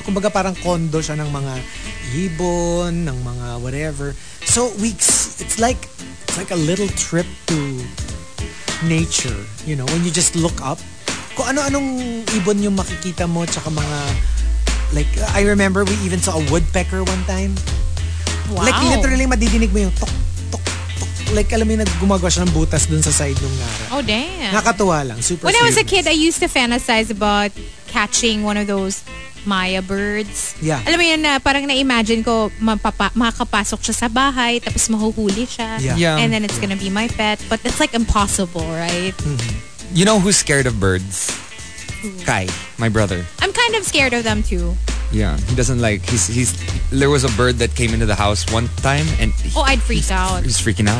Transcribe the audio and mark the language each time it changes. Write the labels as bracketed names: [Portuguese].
[Filipino] Kumbaga, parang condo siya ng mga ibon, ng mga whatever. [English] So, it's like a little trip to nature, you know, when you just look up. [Filipino] Kung ano-anong ibon yung makikita mo, tsaka mga, [English] like, I remember we even saw a woodpecker one time. Wow. [Filipino] Like, literally, madidinig mo yung tok. Like, alam mo yung naggumagawa siya ng butas dun sa side ng nara. [English] Oh, damn. [Filipino] Nakatuwa lang. Super [English] When serious. I was a kid, I used to fantasize about catching one of those Maya birds. Yeah. [Filipino] Alam mo yun, parang na-imagine ko makapasok siya sa bahay, tapos mahuhuli siya. [English] Yeah. And then it's gonna be my pet. But that's like impossible, right? Mm-hmm. You know who's scared of birds? Who? Kai, my brother. I'm kind of scared of them too. Yeah, he doesn't like. He's. There was a bird that came into the house one time, and I'd freak out. He's freaking out.